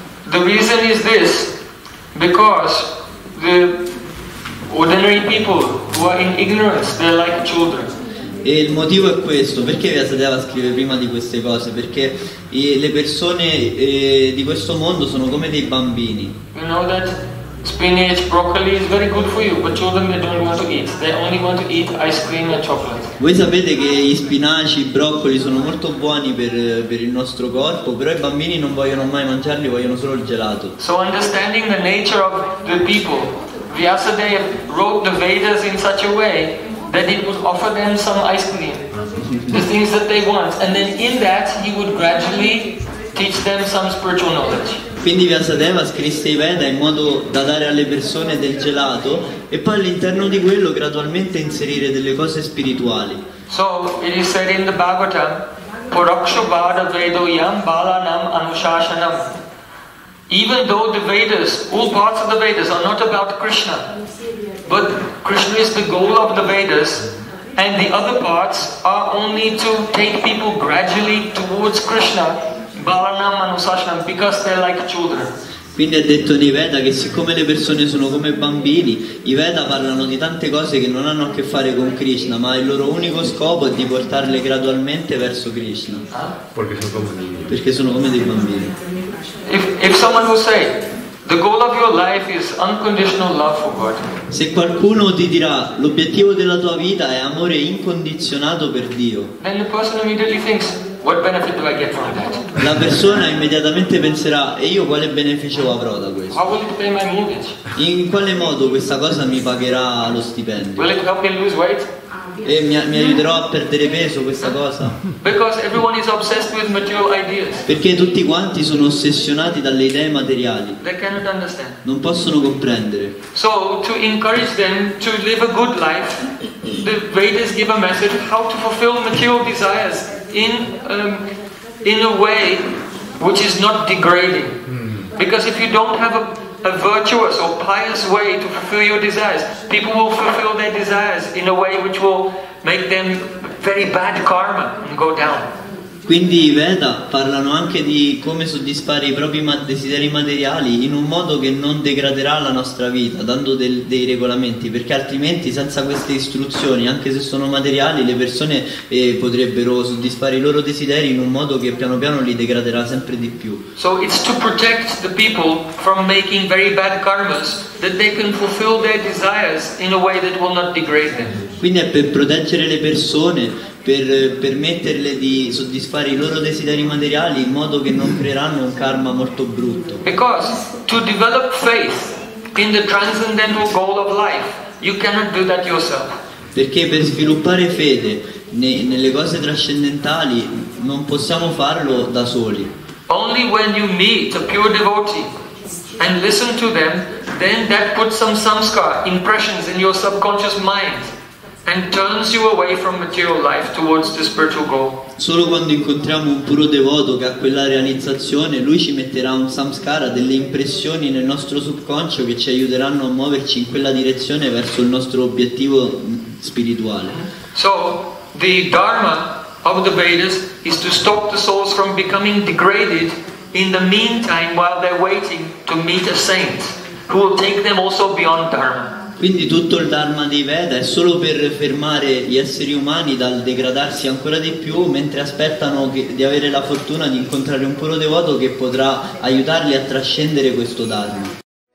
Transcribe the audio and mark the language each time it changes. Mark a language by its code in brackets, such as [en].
[en] The reason is this, because the ordinary people who are in ignorance, they're like children. [it] E il motivo è questo, perché Vyasadeva scrive prima di queste cose? Perché le persone di questo mondo sono come dei bambini. [en] You know that spinach, broccoli is very good for you, but children they don't want to eat. They only want to eat ice cream and chocolate. [it] Voi sapete che gli spinaci, i broccoli sono molto buoni per il nostro corpo, però i bambini non vogliono mai mangiarli, vogliono solo il gelato. [en] So understanding the nature of the people, Vyasadeva wrote the Vedas in such a way that it would offer them some ice cream, the things that they want, and then in that he would gradually teach them some spiritual knowledge. [it] Quindi Vyasadeva scrisse i Veda in modo da dare alle persone del gelato e poi all'interno di quello gradualmente inserire delle cose spirituali. [en] So, it is said in the Bhagavatam, [sa] Paroksha Vada Vedo Yam Balanam Anushasanam. [en] Even though the Vedas, all parts of the Vedas are not about Krishna, but Krishna is the goal of the Vedas and the other parts are only to take people gradually towards Krishna, [sa] Balanam Anusashanam, [en] because they're like children. [it] Quindi è detto nei Veda che siccome le persone sono come bambini, i Veda parlano di tante cose che non hanno a che fare con Krishna, ma il loro unico scopo è di portarle gradualmente verso Krishna. Ah? Perché sono come dei bambini. Perché sono come dei bambini. [en] If someone will say, the goal of your life is unconditional love for God. [it] Se qualcuno ti dirà, l'obiettivo della tua vita è amore incondizionato per Dio. [en] Then the person immediately thinks, what benefit do I get from that? [it] La persona immediatamente penserà, e io quale beneficio avrò da questo? [en] How will it pay my mortgage? [it] In quale modo questa cosa mi pagherà lo stipendio? [en] Will it help me lose weight? [it] E mi aiuterò a perdere peso questa cosa? [en] Because everyone is obsessed with material ideas. [it] Perché tutti quanti sono ossessionati dalle idee materiali. [en] They cannot understand. [it] Non possono comprendere. [en] So to encourage them to live a good life, the Vedas give a message how to fulfill material desires in a way which is not degrading. Because if you don't have a virtuous or pious way to fulfill your desires, people will fulfill their desires in a way which will make them very bad karma and go down. [it] Quindi i Veda parlano anche di come soddisfare i propri desideri materiali in un modo che non degraderà la nostra vita, dando dei regolamenti, perché altrimenti senza queste istruzioni, anche se sono materiali, le persone potrebbero soddisfare i loro desideri in un modo che piano piano li degraderà sempre di più. [en] So it's to protect the people from making very bad karmas that they can fulfill their desires in a way that will not degrade them. [it] Quindi è per proteggere le persone, per permetterle di soddisfare i loro desideri materiali in modo che non creeranno un karma molto brutto. [en] Because to develop faith in the transcendental goal of life, you cannot do that yourself. [it] Perché per sviluppare fede nelle cose trascendentali non possiamo farlo da soli. [en] Only when you meet a pure devotee and listen to them, then that puts some samskara impressions in your subconscious mind and turns you away from material life towards the spiritual goal. [it] Solo quando incontriamo un puro devoto che ha quella realizzazione, lui ci metterà un samskara, delle impressioni nel nostro subconscio che ci aiuteranno a muoverci in quella direzione verso il nostro obiettivo spirituale. [en] So the dharma of the Vedas is to stop the souls from becoming degraded in the meantime while they're waiting to meet a saint who will take them also beyond dharma. [it] Quindi tutto il Dharma dei Veda è solo per fermare gli esseri umani dal degradarsi ancora di più, mentre aspettano di avere la fortuna di incontrare un puro devoto che potrà aiutarli a trascendere questo Dharma.